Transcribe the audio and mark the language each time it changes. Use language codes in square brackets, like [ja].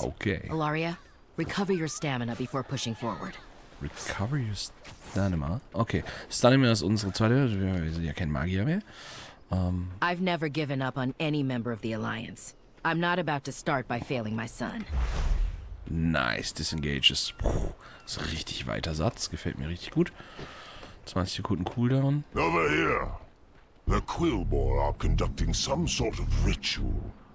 [en] Okay. Alaria, recover your stamina before pushing forward. Recover your stamina? [de] Okay. Stamina ist unsere zweite. Wir sind ja kein Magier mehr. [en] I've never given up on any member of the Alliance. I'm not about to start by failing my son. [de] Nice, disengage ist so richtig weiter Satz, gefällt mir richtig gut. 20 Sekunden Cooldown. [en] Over here. The Quillbor are conducting some sort of ritual.